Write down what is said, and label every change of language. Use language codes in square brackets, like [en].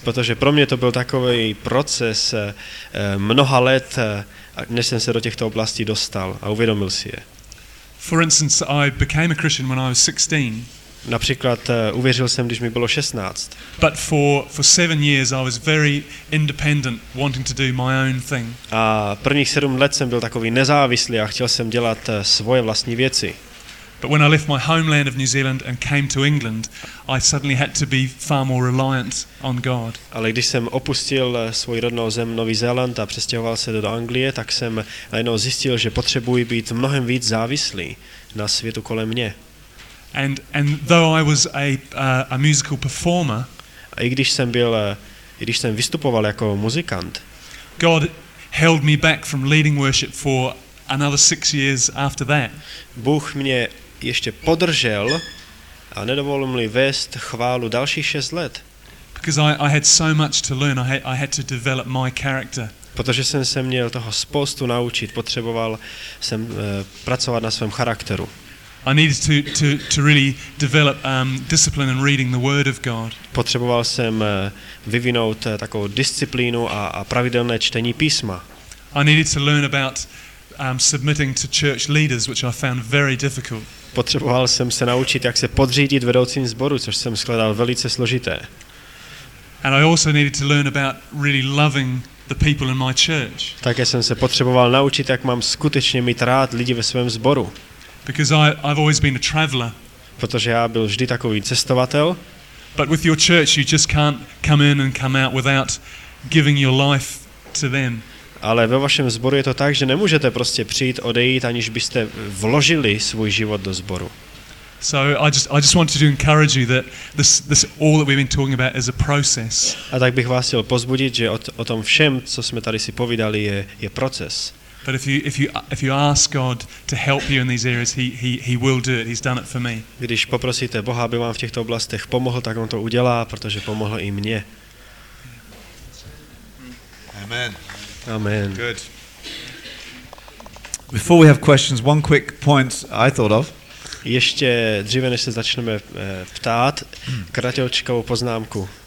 [cs] Protože pro mě to byl takový proces mnoha let, než jsem se do těchto oblastí dostal a uvědomil si je. [en] For instance, I became a Christian when I was 16. [cs] Například uvěřil jsem, když mi bylo 16. [en] But for 7 years I was very independent, wanting to do my own thing. [cs] A prvních 7 let jsem byl takový nezávislý a chtěl jsem dělat svoje vlastní věci. [en] But when I left my homeland of New Zealand and came to England, I suddenly had to be far more reliant on God. [cs] Ale když jsem opustil svou rodnou zem Nový Zéland a přestěhoval se do Anglie, tak jsem najednou zjistil, že potřebuji být mnohem víc závislý na světu kolem mě. [en] And though I was a musical performer, [cs] i když jsem vystupoval jako muzikant, [en] God held me back from leading worship for another 6 years after that. [cs] Bůh mě ještě podržel a nedovolil mi vést chválu dalších 6 let. [en] Because I had so much to learn, I had to develop my character. [cs] Protože jsem se měl toho spoustu naučit, potřeboval jsem pracovat na svém charakteru. [en] I needed to really develop discipline in reading the word of God. [cs] Potřeboval jsem vyvinout takovou disciplínu a pravidelné čtení písma. [en] I needed to learn about submitting to church leaders, which I found very difficult. [cs] Potřeboval jsem se naučit, jak se podřídit vedoucím sboru, což jsem shledal velice složité. [en] And I also needed to learn about really loving the people in my church. [cs] Také jsem se potřeboval naučit, jak mám skutečně mít rád lidi ve svém sboru. [en] Because I've always been a traveler. [cs] Protože já byl vždy takový cestovatel. [en] But with your church you just can't come in and come out without giving your life to them. [cs] Ale ve vašem sboru je to tak, že nemůžete prostě přijít, odejít, aniž byste vložili svůj život do sboru. [en] So I just wanted to encourage you that this all that we've been talking about is a process. [cs] A tak bych vás chtěl pozbudit, že o tom všem, co jsme tady si povídali, je proces. [en] But if you ask God to help you in these areas, he will do it. He's done it for me. [cs] Když poprosíte Boha, aby vám v těchto oblastech pomohl, tak on to udělá, protože pomohl i mně. [en] Amen. [cs] Amen. [en] Good. Before we have questions, one quick point I thought of. [cs] Ještě dříve, než se začneme ptát, kratěčkou poznámku.